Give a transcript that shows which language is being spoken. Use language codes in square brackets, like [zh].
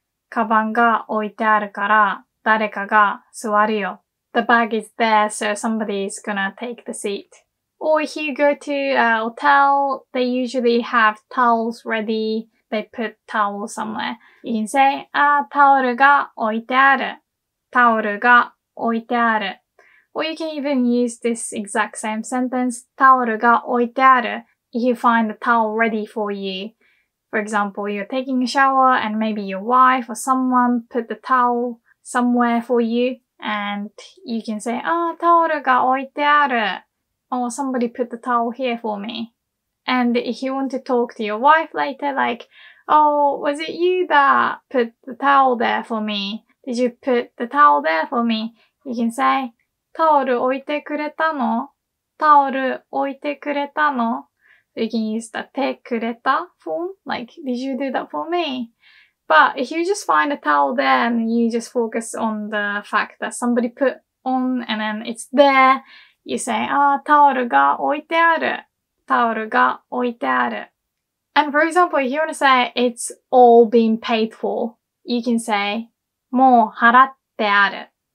[ja] カバンが置いてあるから誰かが座るよ。 [en] The bag is there, so somebody is gonna take the seat. Or if you go to a hotel, they usually have towels ready. They put towels somewhere. You can say, ah, [ja] タオルが置いてある。タオルが置いてある。 [en] Or you can even use this exact same sentence, [ja] タオルが置いてある [en] if you find the towel ready for you. For example, you're taking a shower and maybe your wife or someone put the towel somewhere for you. And you can say, ah, [ja] タオルが置いてある [en] Or somebody put the towel here for me. And if you want to talk to your wife later, like, oh, was it you that put the towel there for me? Did you put the towel there for me? You can say, [ja] タオル置いてくれたの? タオル置いてくれたの? [en] You can use the てくれた form, like, did you do that for me? But if you just find a towel there and you just focus on the fact that somebody put on and then it's there, you say, ah, [ja] タオルが置いてある。タオルが置いてある。 [en] And for example, if you want to say, it's all been paid for, you can say, [ja] もう払ってある。